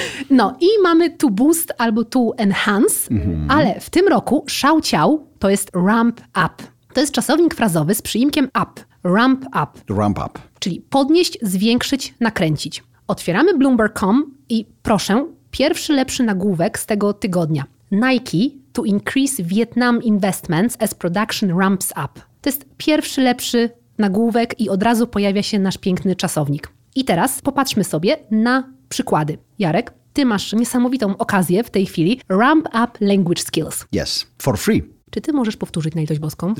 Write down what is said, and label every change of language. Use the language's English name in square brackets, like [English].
[Polish] No i mamy to boost albo to enhance, ale w tym roku szałciał to jest ramp up. To jest czasownik frazowy z przyimkiem up. Ramp up. Ramp up. Czyli podnieść, zwiększyć, nakręcić. Otwieramy Bloomberg.com i proszę, pierwszy lepszy nagłówek z tego tygodnia. [English] Nike to increase Vietnam investments as production ramps up. [Polish] To jest pierwszy lepszy nagłówek i od razu pojawia się nasz piękny czasownik. I teraz popatrzmy sobie na przykłady. Jarek, ty masz niesamowitą okazję w tej chwili. [English] Ramp up language skills. Yes, for free. [Polish] Czy ty możesz powtórzyć na litość boską?